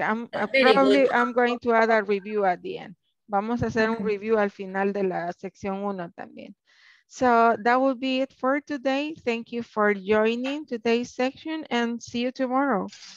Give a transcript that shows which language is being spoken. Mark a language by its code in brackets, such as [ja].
[en] I'm going to add a review at the end. [es] Vamos a hacer un review al final de la sección 1 también. [en] So that will be it for today. Thank you for joining today's section and see you tomorrow.